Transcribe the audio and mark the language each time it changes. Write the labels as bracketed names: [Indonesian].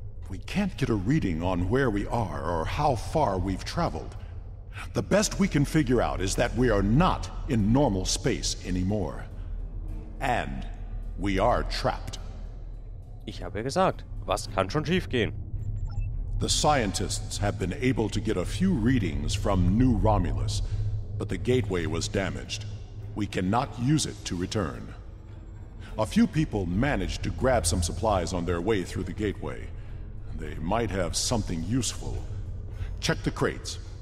[English] We can't get a reading on where we are or how far we've traveled. The best we can figure out is that we are not in normal space anymore. And we are trapped. [German] Ich habe gesagt, was kann schon schief gehen? [English] The scientists have been able to get a few readings from New Romulus, but the gateway was damaged. We cannot use it to return. A few people managed to grab some supplies on their way through the gateway. They might have something useful. Check the crates.